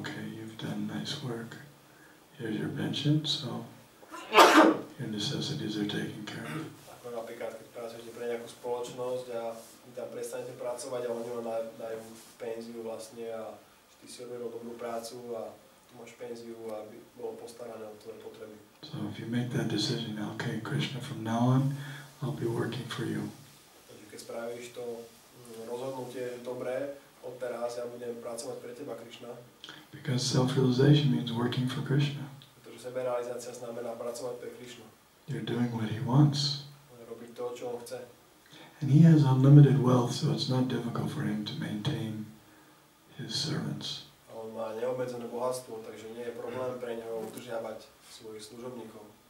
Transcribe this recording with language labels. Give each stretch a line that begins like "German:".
English: Okay, you've done nice work. Here's your pension, so your necessities are taken care of.
Slovak: Ako napríklad, keď pracujete pre nejakú spoločnosť a vy tam prestanete pracovať a oni vám dajú penziu vlastne a ty si odvedol dobrú prácu a tu máš penziu, aby bolo postarané o tvoje potreby.
English: So if you make that decision, okay, Krishna, from now on, I'll be working for you.
Slovak: Takže keď spravíš to rozhodnutie, že dobré, odteraz ja budem pracovať pre teba, Krishna.
English: Because self-realization means working for Krishna.
Slovak: Pretože seberealizácia znamená pracovať pre Krishna.
English: You're doing what he wants.
Slovak: Robiť to, čo on chce.
English: And he has unlimited wealth, so it's not difficult for him to maintain his servants.
Slovak: A on má neobmedzené bohatstvo, takže nie je problém pre neho udržiavať svojich služobníkov.